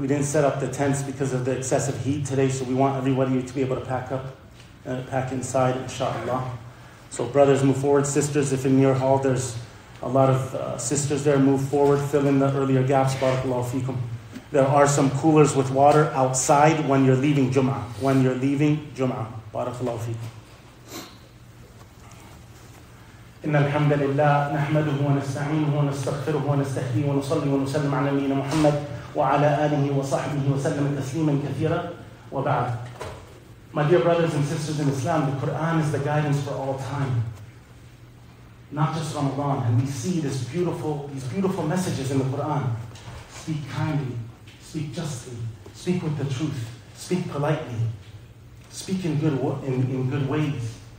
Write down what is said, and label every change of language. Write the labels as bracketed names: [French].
[English] We didn't set up the tents because of the excessive heat today, so we want everybody to be able to pack up and pack inside, inshallah. So brothers, move forward. Sisters, if in your hall there's a lot of sisters there, move forward. Fill in the earlier gaps. Barakallahu feekum. There are some coolers with water outside when you're leaving Jum'ah. When you're leaving Jum'ah. Barakallahu feekum. [Arabic] إن الحمد لله نحمده ونستعينه ونستغفره ونستهديه ونصلي ونسلم على نبينا محمد وعلى آله وصحبه وسلم تسليما كثيرا وبعد. [English] My dear brothers and sisters in Islam, the Quran is the guidance for all time, not just Ramadan. And we see these beautiful messages in the Quran. Speak kindly, speak justly, speak with the truth, speak politely, speak in good ways.